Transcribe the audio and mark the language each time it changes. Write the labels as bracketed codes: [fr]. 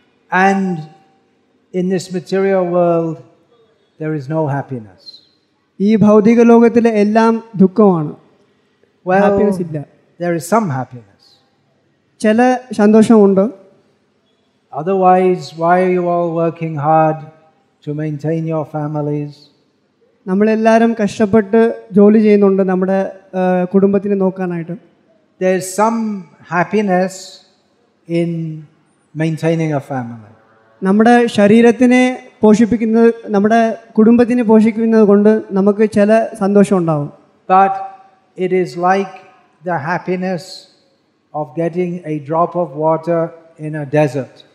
[en] And in this material world there is no happiness. [ml] ഈ ഭൗതിക ലോകത്തിലെ എല്ലാം ദുഃഖമാണ്. ഹാപ്പിനെസ് ഇല്ല. [en] There is some happiness. [ml] ചില സന്തോഷമുണ്ട്. [en] Otherwise why are you all working hard to maintain your families? [ml] നമ്മളെല്ലാവരും കഷ്ടപ്പെട്ട് ജോലി ചെയ്യുന്നുണ്ട് നമ്മുടെ കുടുംബത്തിനെ നോക്കാനായിട്ട്. [en] There is some happiness in maintaining a family. [ml] നമ്മുടെ ശരീരത്തിനെ പോഷിപ്പിക്കുന്നത് നമ്മുടെ കുടുംബത്തിനെ പോഷിപ്പിക്കുന്നത് കൊണ്ട് നമുക്ക് ചില സന്തോഷം ഉണ്ടാവും. [en] But it is like the happiness of getting a drop of water in a desert.